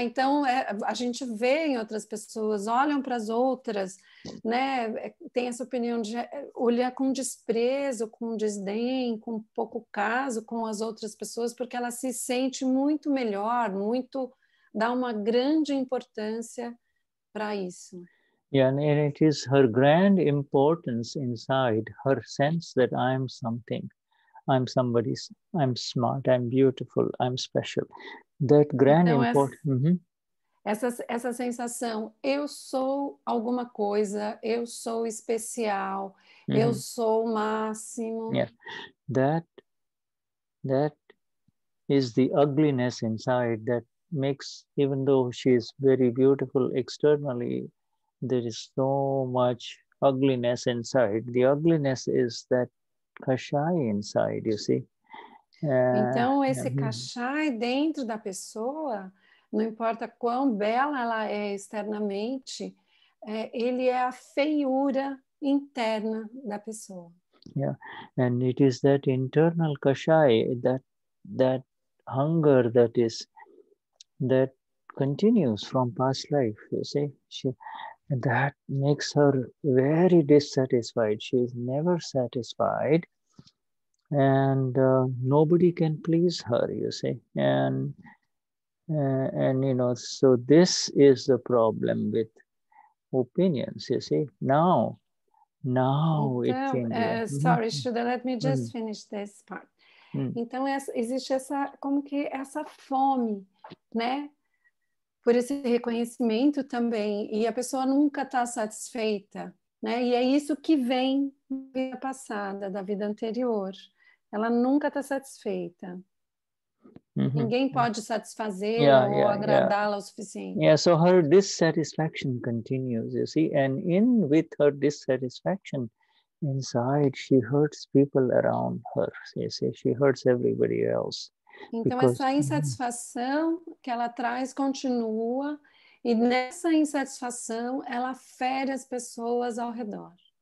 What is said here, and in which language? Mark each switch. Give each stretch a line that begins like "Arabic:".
Portuguese: Então, a gente vê em outras pessoas, olham para as outras, né? Tem essa opinião de olhar com desprezo, com desdém, com pouco caso com as outras pessoas, porque ela se sente muito melhor, muito, dá uma grande importância para isso.
English: Yeah, and it is her grand importance inside, her sense that I am something, I'm somebody, I'm smart, I'm beautiful, I'm special. That grand
Portuguese: então,
English: importance.
Portuguese: Essa sensação, eu sou alguma coisa, eu sou especial, eu sou o máximo.
English: Yeah. That is the ugliness inside that makes, even though she is very beautiful externally, there is so much ugliness inside. The ugliness is that kashai inside, you see.
Portuguese: Então, esse kashai dentro da pessoa, não importa quão bela ela é externamente, é, ele é a feiura interna da pessoa.
English: Yeah, and it is that internal kashai, that hunger that is, that continues from past life, you see. She, that makes her very dissatisfied. She is never satisfied. And nobody can please her, you see. And you know, so this is the problem with opinions, you see. Now
Portuguese: então,
English: it can be. Sorry, Shuda, let me just finish this part.
Portuguese: Então, existe essa, como que essa fome, né? Por esse reconhecimento também. E a pessoa nunca está satisfeita, né? E é isso que vem da vida passada, da vida anterior. Ela nunca está satisfeita. Uh-huh. Ninguém pode satisfazer ou agradá-la o suficiente.
English: Yeah, so her dissatisfaction continues, you see. And in with her dissatisfaction, inside, she hurts people around her, you see, she hurts everybody else.
Portuguese: Então,
English: because,
Portuguese: essa insatisfação que ela traz continua, e nessa insatisfação, ela fere as pessoas ao redor.